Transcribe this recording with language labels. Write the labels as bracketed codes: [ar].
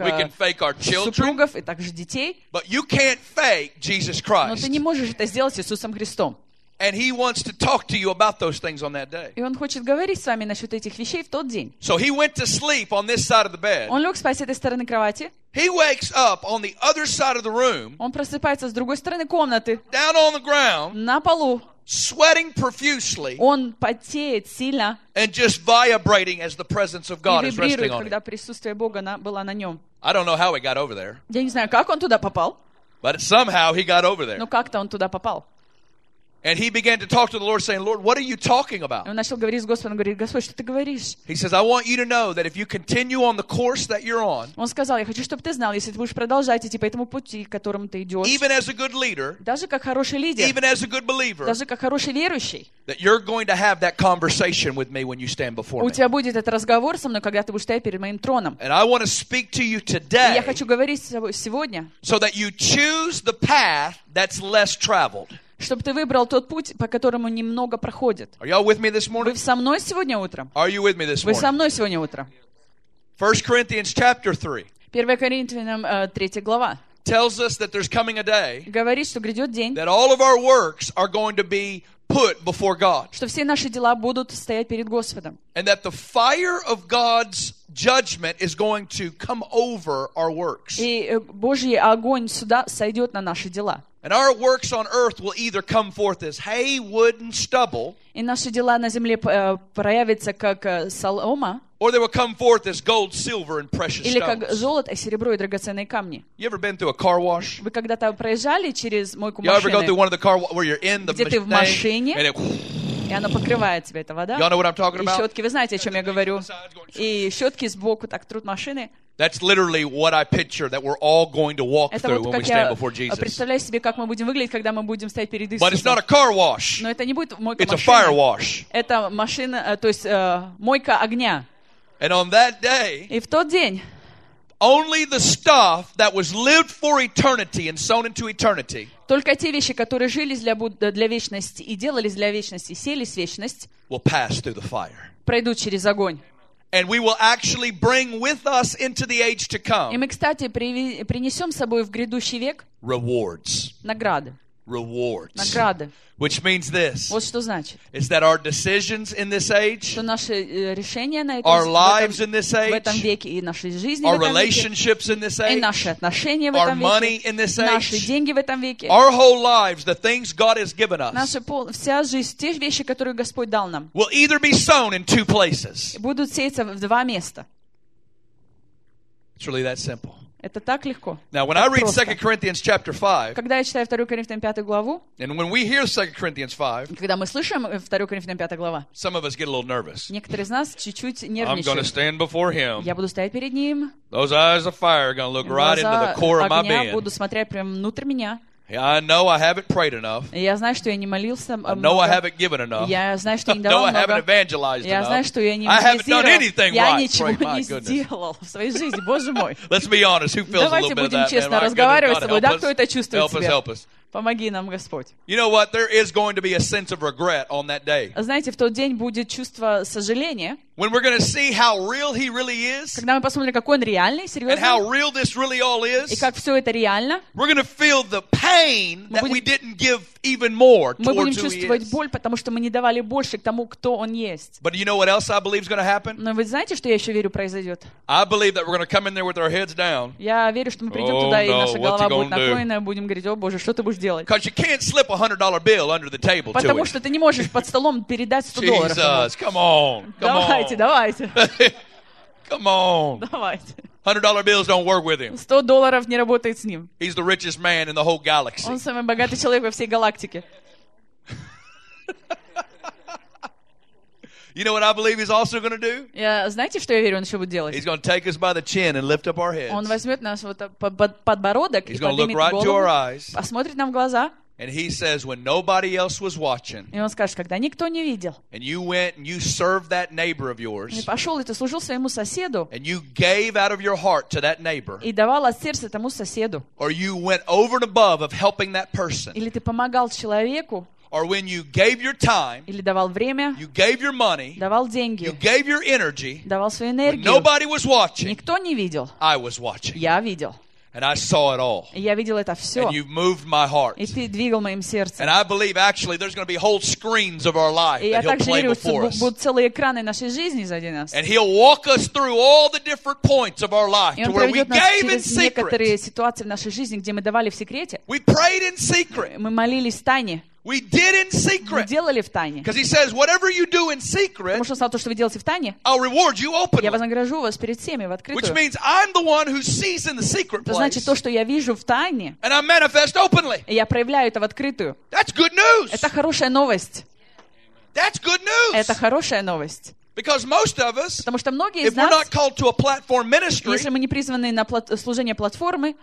[en] We can fake our children. [ru] Супругов и также детей. [en] But you can't fake Jesus Christ. [ru] Но ты не можешь это сделать Иисусом Христом. [en] And he wants to talk to you about those things on that day. [ru] И он хочет говорить с вами насчет этих вещей в тот день. [en] So he went to sleep on this side of the bed. [ru] Он лег спать с этой стороны кровати. [en] He wakes up on the other side of the room. [ru] Он просыпается с другой стороны комнаты. [en] Down on the ground. [ru] На полу. [en] Sweating profusely. [ru] Он потеет сильно. [en] And just vibrating as the presence of God is resting on him. [ru] И вибрирует, когда присутствие Бога было на нем. [en] I don't know how he got over there. [ru] Я не знаю, как он туда попал. [en] But somehow he got over there. [ru] Но как-то он туда попал. [en] And he began to talk to the Lord, saying, "Lord, what are you talking about?" [ru] Он начал говорить с Господом, говорит, Господь, что ты говоришь? [en] He says, "I want you to know that if you continue on the course that you're on." [ru] Он сказал, я хочу, чтобы ты знал, если ты будешь продолжать идти по этому пути, которым ты идешь. [en] Even as a good leader. [ru] Даже как хороший лидер. [en] Even as a good believer. [ru] Даже как хороший верующий. [en] That you're going to have that conversation with me when you stand before me. [ru] У тебя будет этот разговор со мной, когда ты будешь стоять перед моим троном. [en] And I want to speak to you today. [ru] И я хочу говорить с тобой сегодня. [en] So that you choose the path that's less traveled. [ru] Чтобы ты выбрал тот путь, по которому немного проходит. [en] Are y'all with me this morning? [ru] Вы со мной сегодня утром? [en] Are you with me this morning? [ru] Вы со мной сегодня утром? [en] 1 Corinthians chapter 3. [ru] 1 Коринфянам 3 глава. [en] Tells us that there's coming a day. [ru] Говорит, что грядет день. [en] That all of our works are going to be put before God. [ru] Что все наши дела будут стоять перед Господом. [en] And that the fire of God's judgment is going to come over our works. [ru] И Божий огонь суда сойдет на наши дела. [en] And our works on earth will either come forth as hay, wood, and stubble. [ru] И наши дела на земле проявятся как солома. [en] Or they will come forth as gold, silver, and precious [ru] или [en] stones. [ru] Или как золото, серебро и драгоценные камни. [en] You ever been through a car wash? [ru] Вы когда-то проезжали через мойку машины? [en] You ever go through one of the car where you're in the [ru] где ты в машине? [en] And it [ru] и оно покрывает тебя, это вода. [en] You know what I'm talking about? [ru] И щетки, вы знаете, о чем я говорю. И щетки сбоку так трут машины. [en] That's literally what I picture that we're all going to walk through when we stand before Jesus. [ru] Представляю себе, как мы будем выглядеть, когда мы будем стоять перед Иисусом. [en] But it's not a car wash. [ru] Но это не будет мойка машины. [en] It's a fire wash. [ru] Это машина, то есть мойка огня. [en] And on that day. [ru] И в тот день. [en] only the stuff that was lived for eternity and sown into eternity. [ru] Только те вещи, которые жились для вечности и делались для вечности, сеялись в вечность. [en] Will pass through the fire. [ru] Пройдут через огонь. [en] And we will actually bring with us into the age to come. [ru] И мы, кстати, принесем с собой в грядущий век. [en] Rewards. [ru] Награды. [en] Rewards. [ru] Награды. [en] Which means this. [ru] Вот что значит. [en] Is that our decisions in this age? [ru] Что наши решения на этом. [en] Our lives in this age. [ru] В этом веке и наши жизни. [en] Our relationships in this age. [ru] И наши отношения в этом веке. [en] Our money in this age. [ru] Наши деньги в этом веке. [en] Our whole lives, the things God has given us. [ru] Наша вся жизнь, те вещи, которые Господь дал нам. [en] Will either be sown in two places. [ru] Будут сеяться в два места. [en] It's really that simple. [ru] Это так легко. [en] Now, when I read 2 Corinthians chapter 5, [ru] когда я читаю 2 Коринфянам 5 главу, [en] and when we hear 2 Corinthians 5, [ru] когда мы слышим 2 Коринфянам 5 глава, [en] some of us get a little nervous. [ru] Некоторые из нас чуть-чуть нервничают. [en] I'm going to stand before him. [ru] Я буду стоять перед ним. [en] Those eyes of fire are going to look right into the core of my being. [ru] Глаза будут смотреть прямо внутрь меня. [en] I know I haven't prayed enough. [ru] Я знаю, что я не молился много. [en] I know I haven't given enough. [ru] Я знаю, что я не давал много. [en] I know I haven't evangelized enough. [ru] Я знаю, что я не евангелизировал. Я ничего не сделал в своей жизни, Боже мой. [en] Let's be honest. Who feels a little bit of that? [ru] Давайте будем честно разговаривать с собой. Да, кто это чувствует? [en] Help us, help us. [ru] Помоги нам, Господь. [en] You know what? There is going to be a sense of regret on that day. [ru] Знаете, в тот день будет чувство сожаления. [en] When we're going to see how real He really is. [ru] Когда мы посмотрим, какой Он реальный, серьезный. [en] And how real this really all is. [ru] И как все это реально. [en] We're going to feel the pain that we didn't give even more towards Him. [ru] Мы будем чувствовать боль, потому что мы не давали больше к тому, кто Он есть. [en] But you know what else I believe is going to happen? [ru] Но вы знаете, что я еще верю произойдет? [en] I believe that we're going to come in there with our heads down. [ru] Я верю, что мы придем туда и наша голова будет наклонена, будем говорить: О Боже, что ты будешь? [en] Because you can't slip $100 bill under the table. [ru] Потому что ты не можешь под столом передать $100. [en] Jesus, come on, come on. [ru] Давайте, давайте. [en] Come on. [ru] Давайте. [en] $100 bills don't work with him. [ru] $100 не работает с ним. [en] He's the richest man in the whole galaxy. [ru] Он самый богатый человек во всей галактике. [en] You know what I believe he's also going to do? [ru] Я знаете, что я верю, он еще будет делать? [en] He's going to take us by the chin and lift up our heads. [ru] Он возьмет нас вот подбородок и поднимет голову, посмотрит нам в глаза. [en] And he says, when nobody else was watching. [ru] И он скажет, когда никто не видел. [en] And you went and you served that neighbor of yours. [ru] И пошел и ты служил своему соседу. [en] And you gave out of your heart to that neighbor. [ru] И давал от сердца тому соседу. [en] Or you went over and above of helping that person. [ru] Или ты помогал человеку. [en] Or when you gave your time, [ru] или давал время, [en] you gave your money, [ru] давал деньги, [en] you gave your energy, [ru] давал свою энергию, [en] nobody was watching, [ru] никто не видел, [en] I was watching, [ru] я видел. [en] And I saw it all. [ru] Я видел это все. [en] And you've moved my heart. [ru] И ты двигал моим сердцем. [en] And I believe actually there's going to be whole screens of our life [ru] и [en] that he'll play [ru] верю, [en] before us. [ru] Будут целые экраны нашей жизни сзади нас. [en] And he'll walk us through all the different points of our life to where we gave in secret. [ru] Некоторые ситуации в нашей жизни, где мы давали в секрете. [en] We prayed in secret. [ru] Мы молились в тайне. [en] We did in secret. [ru] Мы делали в тайне. [en] Because he says, whatever you do in secret, [ru] потому что он сказал, то, что вы делаете в тайне, [en] I'll reward you openly. [ru] Я вознагражу вас перед всеми в открытую. [en] Which means I'm the one who sees in the secret place. [ru] Это значит то, что я вижу в тайне. [en] And I manifest openly. [ru] И я проявляю это в открытую. [en] That's good news. [ru] Это хорошая новость. [en] That's good news. [ru] Это хорошая новость. [en] Because most of us, [ru] потому что многие из [en] if [ru] нас, [en] we're not called to a platform ministry, [ru] если мы не призваны на служение платформы,